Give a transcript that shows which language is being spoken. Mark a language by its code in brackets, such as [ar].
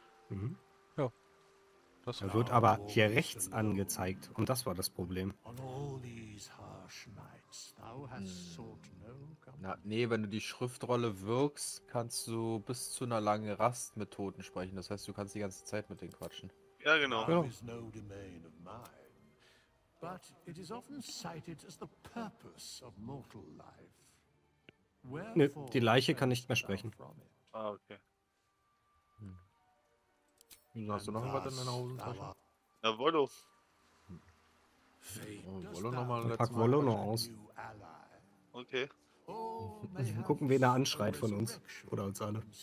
[de] Mhm. Ja. Das er wird aber hier rechts angezeigt. Und das war das Problem. Nee, wenn du die Schriftrolle wirkst, kannst du bis zu einer langen Rast mit Toten sprechen. Das heißt, du kannst die ganze Zeit mit denen quatschen. Ja, genau. [en] But it is often cited as the purpose of mortal life. [de] Wherefore, nee, die Leiche kann nicht mehr sprechen. Ah, okay. Hm. Hast du noch was in deiner Hosentasche? Ja, Wollo. Wollo nochmal. Ich pack Wollo noch aus. Okay. Wir gucken, wen er anschreit von uns. Oder uns alle.